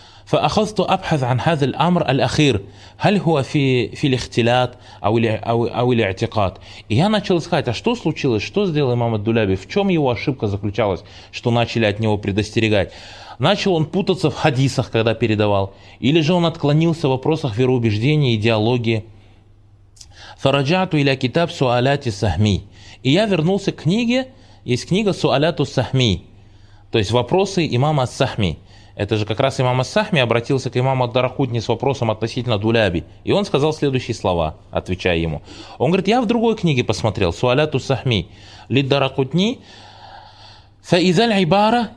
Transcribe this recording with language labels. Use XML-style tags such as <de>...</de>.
<ar>فأخذت أبحث عن هذا الأمر الأخير هل هو في في الاختلاط أو ال أو أو الاعتقاد.</ar> <ru>И я начал искать, а что случилось, что сделал имам Ад-Дулаби, в чем его ошибка заключалась, что начали от него предостерегать. Начал он путаться в хадисах, когда передавал, или же он отклонился в вопросах вероубеждения, идеологии.</ru> <ar>فرجعت إلى كتاب سؤالات السهمي.</ar> <ru>И я вернулся к книге, есть книга سؤالات السهمي, то есть вопросы имама Ас-Сахми. Это же как раз имам Ас-Сахми обратился к имаму Ад-Дарақутни с вопросом относительно Дулаби. И он сказал следующие слова, отвечая ему. Он говорит, я в другой книге посмотрел, Суаляту Сахми, Лид-Дарақутни, Фаизаль-Айбара.</ru>